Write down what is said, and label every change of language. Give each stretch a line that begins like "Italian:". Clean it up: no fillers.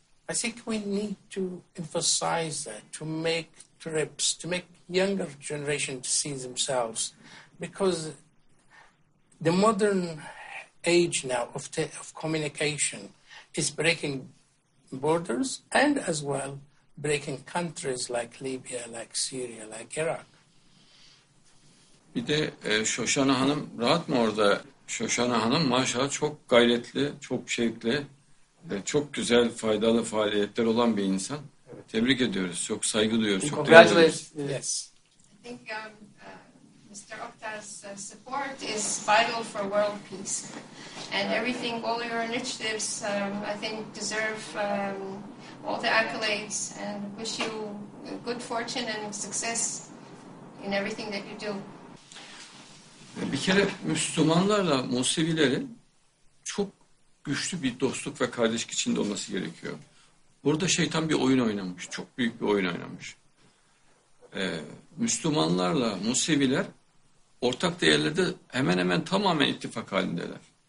English: I think we need to emphasize that, to make trips, to make younger generation to see themselves, because the modern age now of communication is breaking borders and as well breaking countries like Libya, like Syria, like Iraq.
Turkish: Bir de Şoşana Hanım rahat mı orada? Şoşana Hanım maşallah çok gayretli, çok şevkli, çok güzel, faydalı faaliyetler olan bir insan. Tebrik ediyoruz. Çok saygı duyuyoruz. Çok teşekkür ederiz.
English: Yes. I think Mr. Oktay's support is vital for world peace. And everything, all your initiatives, I think, deserve all the accolades. And wish you good fortune and success in everything that you do.
Turkish: Bir kere Müslümanlarla Musevilerin çok güçlü bir dostluk ve kardeşlik içinde olması gerekiyor. Burada şeytan bir oyun oynamış, çok büyük bir oyun oynamış. Müslümanlarla Museviler ortak değerlerde hemen hemen tamamen ittifak halindeler.